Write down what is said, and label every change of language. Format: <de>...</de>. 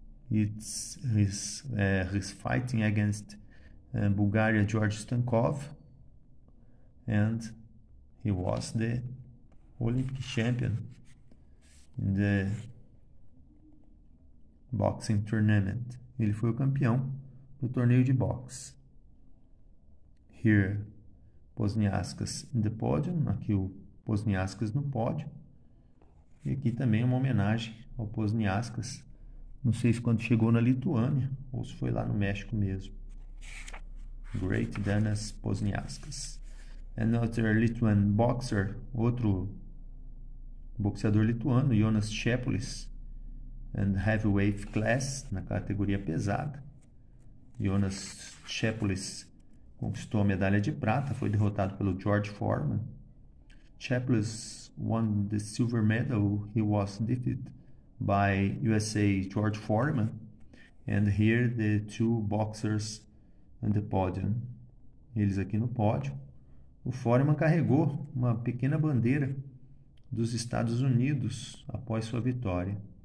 <en>It's his fighting against Bulgaria George Stankov and he was the Olympic champion in the boxing tournament.</en> <pt>Ele foi o campeão do torneio de boxe.</pt> <en>Here, Pozniakas in the podium.</en> <pt>Aqui o Pozniakas no pódio. E aqui também uma homenagem ao Pozniakas. Não sei se quando chegou na Lituânia ou se foi lá no México mesmo.</pt> <en>Great Danas Pozniakas. Another Lithuanian boxer,</en> <pt>outro boxeador lituano,</pt> <en>Jonas Schepolis, and heavyweight class,</en> <pt>na categoria pesada. Jonas Schepolis conquistou a medalha de prata, foi derrotado pelo George Foreman.</pt> <en>Schepolis won the silver medal, he was defeated by USA George Foreman. And here the two boxers on the podium.</en> <pt>Eles aqui no pódio. O Foreman carregou uma pequena bandeira dos Estados Unidos após sua vitória.</pt>